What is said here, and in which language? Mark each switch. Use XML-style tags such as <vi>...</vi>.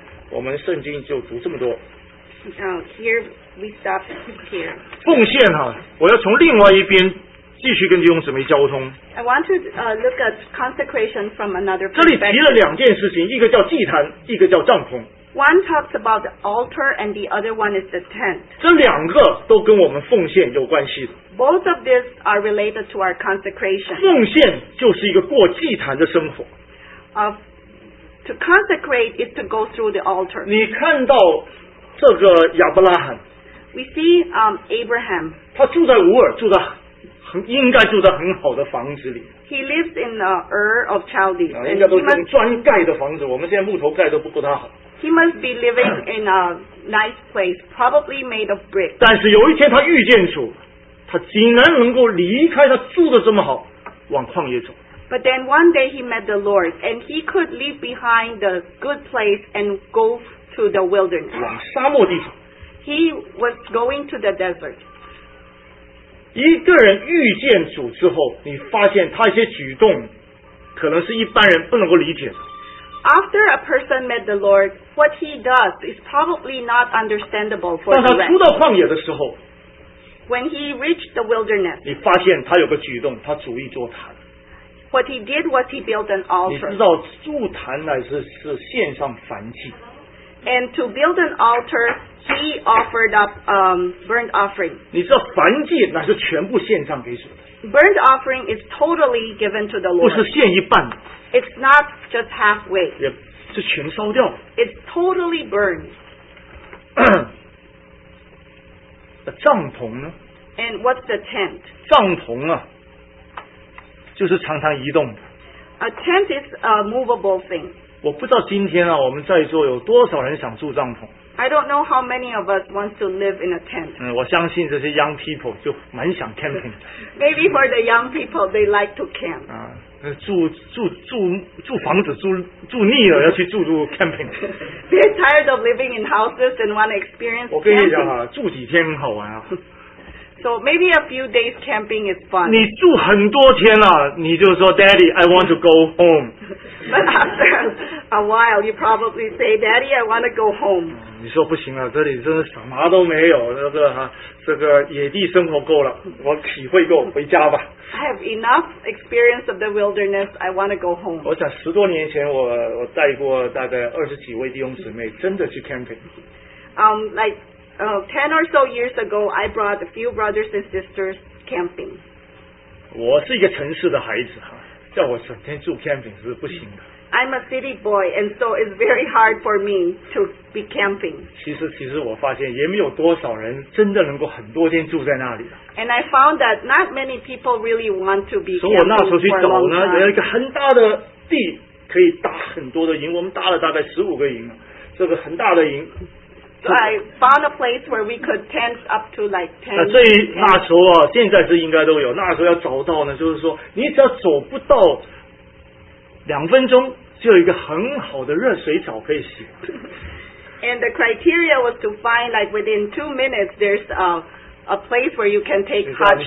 <zh>我们圣经就读这么多。</zh> <en>Now, here we stop here.</en> <zh>奉献哈，我要从另外一边继续跟弟兄姊妹交通。</zh> <en>I want to look at consecration from another perspective.</en> <zh>这里提了两件事情，一个叫祭坛，一个叫帐篷。</zh> <en>One talks about the altar, and the other one is the tent.</en> <zh>这两个都跟我们奉献有关系的。</zh> <en>Both of these are related to our consecration.</en> <zh>奉献就是一个过祭坛的生活。</zh> <en>To consecrate is to go through the altar.</en> <zh>你看到这个亚伯拉罕。</zh> <en>We see Abraham.</en> <zh>他住在乌尔，住在很应该住在很好的房子里。</zh> <en>He lives in the Ur of Chaldees.</en> <zh>应该都是用砖盖的房子，我们现在木头盖都不够他好。</zh> <en>He must be living in a nice place, probably made of brick.</en> <zh>但是有一天他遇见主，他竟然能够离开他住的这么好，往旷野走。</zh> <en>But then one day he met the Lord, and he could leave behind the good place and go to the wilderness.</en> <zh>往沙漠地走。</zh> <en>He was going to the desert.</en> <zh>一个人遇见主之后，你发现他一些举动，可能是一般人不能够理解的。</zh> <en>After a person met the Lord, what he does is probably not understandable for the rest.</en> <zh>当他出到旷野的时候，</zh> <en>when he reached the wilderness,</en> <zh>你发现他有个举动，他筑一座坛。</zh> <en>What he did was he built an altar.</en> <zh>你知道筑坛乃是献上燔祭。</zh> <en>And to build an altar, he offered up burnt offering.</en> <zh>你知道燔祭乃是全部献上给主的。</zh> <en>Burnt offering is totally given to the Lord.</en> <zh>不是献一半的。</zh> <en>It's not just halfway.</en> <zh>也是全烧掉。</zh> <en>It's totally burned.</en> <zh>那帐篷呢？</zh> <en>And what's the tent?</en> <zh>帐篷啊，就是常常移动的。</zh> <en>A tent is a movable thing.</en> <zh>我不知道今天啊，我们在座有多少人想住帐篷。</zh> <en>I don't know how many of us want to live in a tent.</en> <zh>我相信这些</zh> <en>young people</en> <zh>就蛮想 camping。</zh> <en>Maybe for the young people, they like to camp.</en> <zh>住房子住腻了，要去住 camping.</zh> <en>They're tired of living in houses and want to experience camping.</en> <zh>我跟你讲啊，住几天很好玩啊。</zh> <en>So maybe a few days camping is fun.</en> <zh>你住很多天了，你就说</zh> <en>Daddy, I want to go home. But after a while, you probably say, Daddy, I want to go home.</en> <zh>你说不行啊，这里真的什么都没有，这个野地生活够了，我体会够，回家吧。</zh> <en>I have enough experience of the wilderness. I want to go home.</en> <zh>我想十多年前我带过大概二十几位弟兄姊妹真的去 camping.</zh> <en>Ten or so years ago, I brought a few brothers and sisters camping.</en> <zh>我是一个城市的孩子，叫我整天住 camping 是不行的。</zh> <en>I'm a city boy, and so it's very hard for me to be camping.</en> <zh>其实我发现也没有多少人真的能够很多天住在那里。</zh> <en>And I found that not many people really want to be camping.</en> <zh>所以我那时候去找呢，有一个很大的地可以搭很多的营，我们搭了大概15个营，这个很大的营。</zh> <en>So I found a place where we could tent up to like 10.</en> <zh>那时候啊，现在是应该都有。那时候要找到呢，就是说你只要走不到两分钟，就有一个很好的热水澡可以洗。</zh> <en>And the criteria was to find like within 2 minutes there's a place where you can take hot shower.</en>